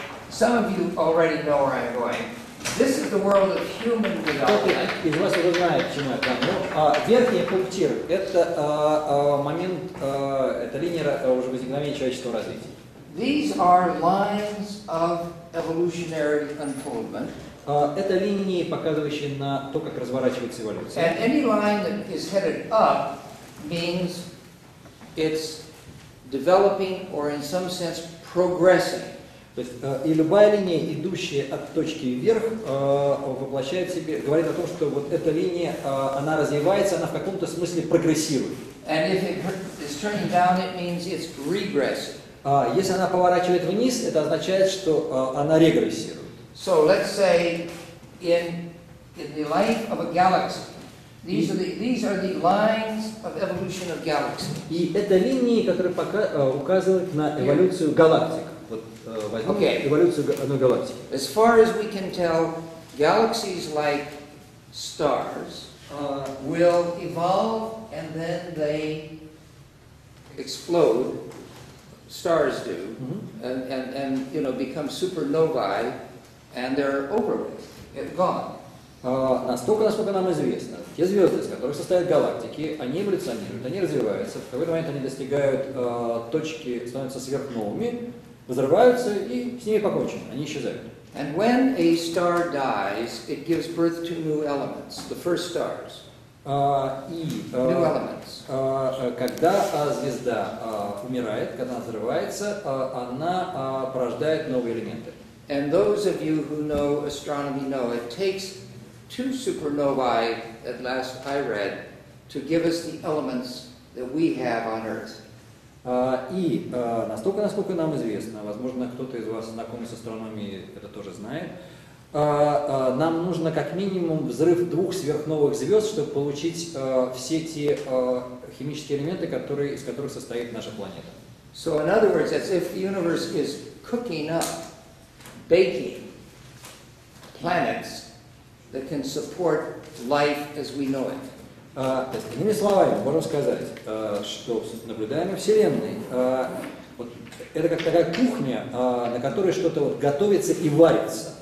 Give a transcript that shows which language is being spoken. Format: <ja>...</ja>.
<en>Some of you already know where I'm going. This is the world of human development.</en> <ru>Из вас уже знает, чем я там. Верхний пунктир – это момент, это линия уже возникновения человеческого развития.</ru> <en>These are lines of evolutionary unfoldment.</en> <ru>Это линии, показывающие на то, как разворачивается эволюция.</ru> <en>And any line that is headed up means it's developing or in some sense progressing.</en> <ru>То есть и любая линия, идущая от точки вверх, воплощает в себе, говорит о том, что вот эта линия, она развивается, она в каком-то смысле прогрессирует.</ru> <en>And if it is turning down, it means it's regressing.</en> <ru>Если она поворачивает вниз, это означает, что она регрессирует.</ru> <en>So let's say in the life of a galaxy. These are the lines of evolution of galaxies.</en> <ru>И это линии, которые пока указывают на эволюцию галактик. Вот возьмем эволюцию одной галактики.</ru> <en>As far as we can tell, galaxies like stars. will evolve and then they explode, stars do, and you know, become supernovae, and they're over with, they're gone.</en> <ru>Насколько нам известно, те звезды, из которых состоят галактики, они эволюционируют, они развиваются, в какой-то момент они достигают точки, становятся сверхновыми, взрываются и с ними покончено, они исчезают.</ru> <en>And when a star dies, it gives birth to new elements, the first stars. New elements.</en> <ru>Когда звезда умирает, когда она взрывается, она порождает новые элементы.</ru> <en>And those of you who know astronomy know it takes two supernovae, at last I read, to give us the elements that we have on Earth.</en> <ru>Насколько нам известно, возможно, кто-то из вас знакомый с астрономией это тоже знает, нам нужно как минимум взрыв двух сверхновых звезд, чтобы получить все те химические элементы, из которых состоит наша планета.</ru> <en>So, in other words, as if the universe is cooking up, baking planets that can support life as we know it.</en> <ru>Иными словами, можем сказать, что наблюдаем в Вселенной, вот это как такая кухня, на которой что-то вот готовится и варится.</ru>